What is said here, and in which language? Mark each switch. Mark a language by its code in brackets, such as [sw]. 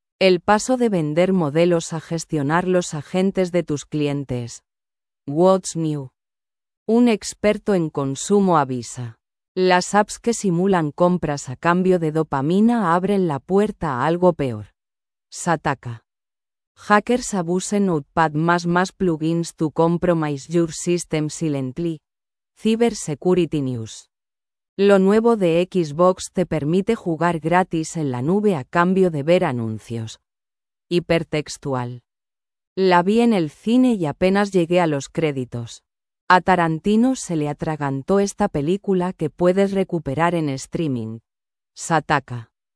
[es] El paso de vender modelos a gestionar los agentes de tus clientes. [en] What's new? [es] Un experto en consumo avisa. Las apps que simulan compras a cambio de dopamina abren la puerta a algo peor. Sataka. [en] Hackers abusen Notepad++ plugins to compromise your system silently. Cyber Security News. [es] Lo nuevo de Xbox te permite jugar gratis en la nube a cambio de ver anuncios. Hipertextual. La vi en el cine y apenas llegué a los créditos. A Tarantino se le atragantó esta película que puedes recuperar en streaming. Sataka.